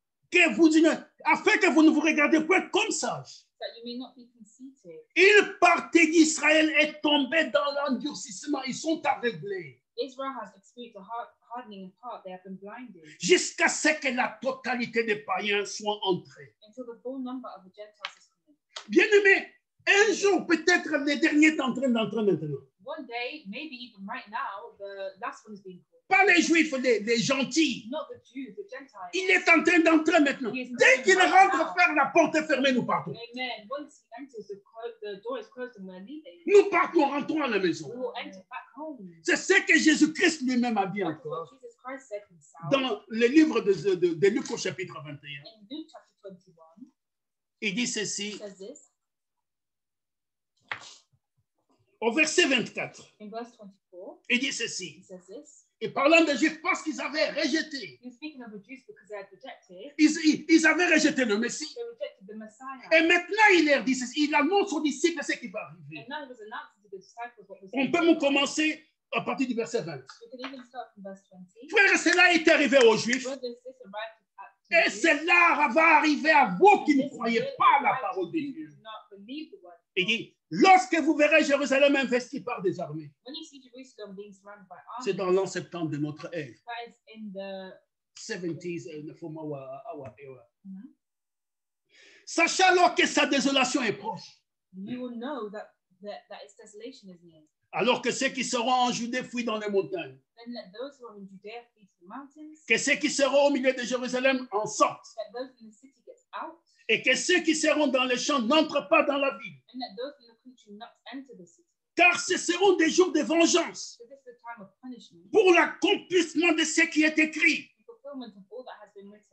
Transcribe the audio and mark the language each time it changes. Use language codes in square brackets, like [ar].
[fr] Que vous ignoriez, afin que vous ne vous regardiez pas comme sage. [en] That you may not be conceited. [fr] Une partie d'Israël est tombée dans l'endurcissement, ils sont aveuglés. [en] Israel has experienced a hardening in part. They have been blinded. [fr] Jusqu'à ce que la totalité des païens soient entrés. [en] Until the full number of the Gentiles is coming. [fr] Bien-aimés, un jour, peut-être le dernier est en train d'entrer maintenant. [en] One day, maybe even right now, the last one is being called. [fr] Pas les Juifs, les gentils. [en] Not the Jews, the Gentiles. [fr] Il est en train d'entrer maintenant. Dès qu'il rentre, faire la porte est fermée, nous partons. Amen. [en] Once he enters, the door is closed and we're leaving. [fr] Nous partons, rentrons à la maison. [en] We will enter back home. [fr] C'est ce que Jésus-Christ lui-même a dit encore. [en] What Jesus Christ said himself. [fr] Dans le livre de Luc au chapitre 21. [en] In Luke chapter 21. [fr] Il dit ceci. [en] He says this. [fr] Au verset 24, [en] in verse 24, [fr] il dit ceci. [en] He says this, [fr] et parlant des Juifs parce qu'ils avaient rejeté. [en] He's speaking of the Jews because they had rejected, [fr] ils avaient rejeté le Messie. [en] They rejected the Messiah. [fr] Et maintenant, il leur dit ceci. Il annonce aux disciples ce qui va arriver. [en] And now he was announcing to the disciples what was [fr] on peut même commencer à partir du verset 20. [en] We can even start from verse 20. [fr] Frère, cela est arrivé aux Juifs. [en] Brothers, this arrived at the [fr] Et cela va arriver à vous qui ne croyez pas à la parole de Dieu. Il dit, lorsque vous verrez Jérusalem investi par des armées, [en] armies, [fr] c'est dans l'an 70 de notre ère. Sachez alors que sa désolation est proche. [en] You will know that its desolation is near. [fr] Alors que ceux qui seront en Judée fuient dans les montagnes. [en] Then let those who are in Judea flee to the mountains. [fr] Que ceux qui seront au milieu de Jérusalem en sortent. [en] Let those in the city get out. [fr] Et que ceux qui seront dans les champs n'entrent pas dans la ville. [en] And that those in the country should not enter the city. [fr] Car ce seront des jours de vengeance. [en] So this is the time of punishment. [fr] Pour l'accomplissement de ce qui est écrit. [en] The fulfillment of all that has been written.